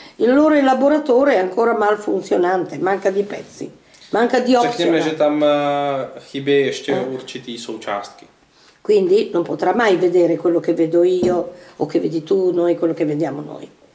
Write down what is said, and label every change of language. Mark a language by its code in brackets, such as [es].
[it] Il loro laboratorio è ancora mal funzionante, manca di pezzi, manca di opzione. [cs] Řekněme, že tam chybí ještě určitý součástky. [it] Quindi non potrà mai vedere quello che vedo io o che vedi tu, noi, quello che vediamo noi.